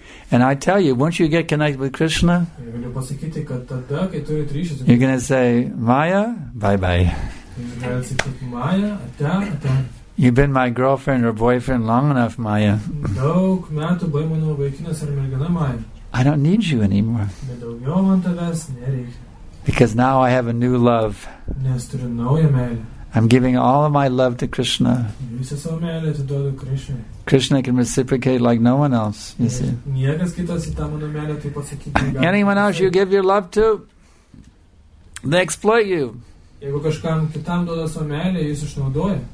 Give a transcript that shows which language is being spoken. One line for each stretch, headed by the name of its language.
English: And I tell you, once you get connected with Krishna, you're going to say, Maya, bye-bye. You've been my girlfriend or boyfriend long enough, Maya.
Lithuanian: Daug metų buvai mano vaikinas ar mergina, Maya.
English: I don't need you anymore.
Lithuanian: Daugiau man tavęs nereikia.
English: Because now I have a new love.
Lithuanian: Nes turiu naują meilę.
English: I'm giving all of my love to Krishna.
Lithuanian: Visą savo meilę atiduodu Krishnai.
English: Krishna can reciprocate like no one else, you see.
Lithuanian: Niekas kitas į tą mano meilę taip pasakyti.
English: Anyone else you give your love to, they exploit you.
Lithuanian: Jeigu kažkam kitam duoda savo meilę, jis išnaudoja.